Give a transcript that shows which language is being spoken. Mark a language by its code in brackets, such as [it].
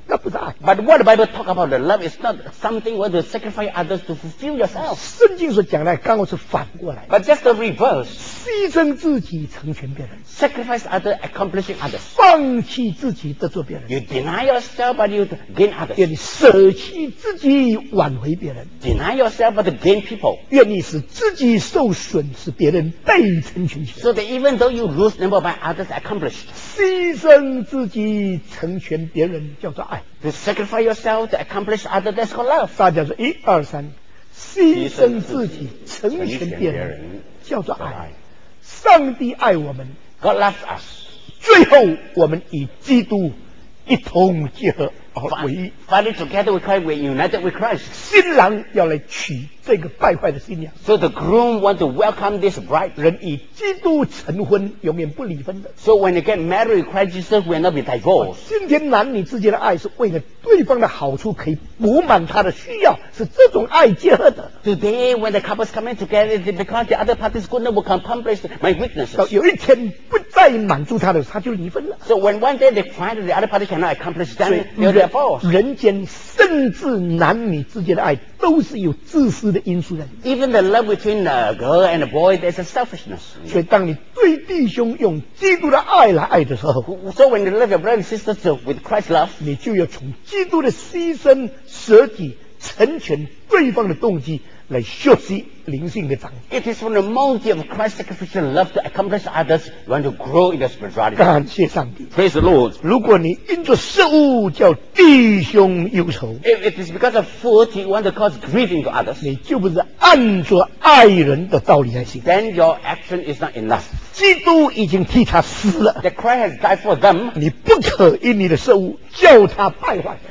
[en] But what the Bible talk about the love is not something where to sacrifice others to fulfill yourself. [zh] 圣经所讲的刚好是反过来。 [en] But just the reverse. [zh] 牺牲自己成全别人。 [en] Sacrifice others, accomplishing others. [zh] 放弃自己得做别人。 [en] You deny yourself, but you gain others. [zh] 愿你舍弃自己挽回别人。 [en] Deny yourself, but gain people. [zh] 愿你使自己受损使别人被成全。 [en] So that even though you lose number by others accomplished. [zh] 牺牲自己成全别人叫做爱。 [en] To sacrifice yourself to accomplish other that's called love. [zh] 大家说一二三，牺牲自己成全别人，叫做爱。上帝爱我们 [en] ，God loves us. [zh] 最后我们与基督一同结合而为一。 [en] Finally, together with Christ, we're united with Christ. [zh] 新郎要来娶这个败坏的新娘。 [en] So the groom wants to welcome this bride. [zh] 人与基督成婚，永远不离婚的。 [en] So when you get married with Christ Jesus, we will not be divorced. [zh] 今天男女之间的爱是为了对方的好处，可以补满他的需要，是这种爱结合的。 [en] Today, when the couples come in together, it's because the other party's goodness will accomplish my weaknesses. [zh] 到有一天不再满足他的时候，他就离婚了。 [en] So when one day they find that the other party cannot accomplish them, they will divorce. [zh] 人间甚至男女之间的爱都是有自私的因素在。 [en] Even the love between a girl and a boy, there's a selfishness. [zh] 所以当你对弟兄用基督的爱来爱的时候 [en] ，So when you love your brothers and sisters with Christ's love, [zh] 你就要从基督的牺牲、舍己、成全对方的动机来学习灵性的长进。 [en] It is from the motive of Christ's sacrificial love to accomplish others, you want to grow in the spirituality. [zh] 感谢上帝。 [en] Praise the Lord. [zh] 如果你因着食物叫弟兄忧愁 [en] ，If it is because of food you want to cause grieving to others, [zh] 你就不是按着爱人的道理来行。 [en] Then your action is not enough. [zh] 基督已经替他死了。 [en] The Christ has died for them. [zh] 你不可因你的食物叫他败坏。